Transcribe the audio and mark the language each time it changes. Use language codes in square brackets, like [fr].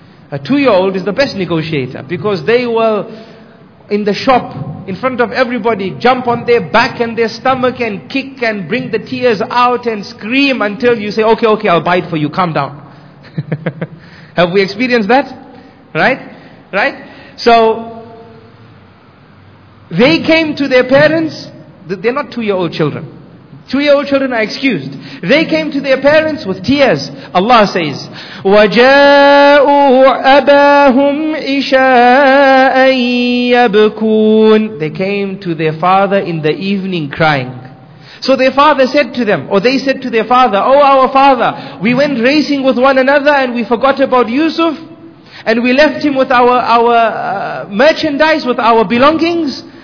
[en] A two-year-old is the best negotiator because they will, in the shop, in front of everybody, jump on their back and their stomach and kick and bring the tears out and scream until you say, okay, okay, I'll buy it for you, calm down. Have we experienced that? Right? Right? So, they came to their parents, they're not two-year-old children. Two-year-old children are excused. They came to their parents with tears. Allah says, [ar] وَجَاءُوا أَبَاهُمْ إِشَاءً يَبْكُونَ. [en] They came to their father in the evening crying. So their father said to them, or they said to their father, oh, our father, we went racing with one another and we forgot about Yusuf. And we left him with our merchandise, with our belongings.